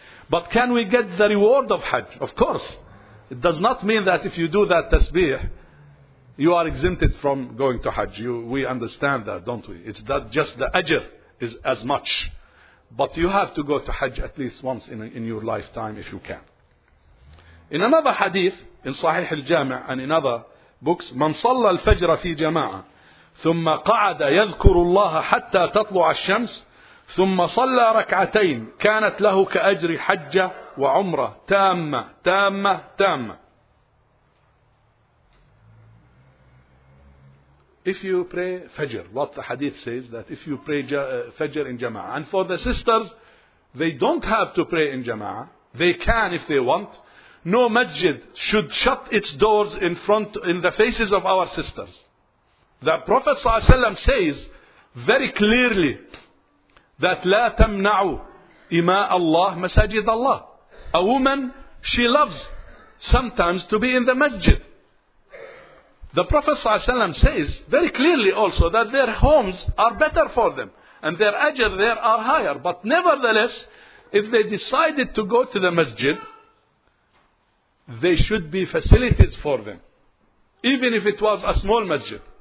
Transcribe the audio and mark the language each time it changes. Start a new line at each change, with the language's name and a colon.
English: But can we get the reward of Hajj? Of course. It does not mean that if you do that tasbih, you are exempted from going to Hajj. We understand that, don't we? It's that just the ajr is as much. But you have to go to Hajj at least once in your lifetime if you can. In another hadith, in Sahih al-Jami' and in other books,
Arabic: من صلى الفجر في جماعة ثم قعد يذكر الله حتى تطلع الشمس ثم صلى ركعتين كانت له كأجر حجة وعمرة تامة تامة تامة.
English: If you pray Fajr, what the hadith says, that if you pray Fajr in Jama'ah, and for the sisters, they don't have to pray in Jama'ah, they can if they want. No masjid should shut its doors in the faces of our sisters. The Prophet ﷺ says very clearly that
Arabic: لا تمنع إماء الله مساجد الله.
English: A woman, she loves sometimes to be in the masjid. The Prophet ﷺ says very clearly also that their homes are better for them and their ajr there are higher. But nevertheless, if they decided to go to the masjid, there should be facilities for them, even if it was a small masjid.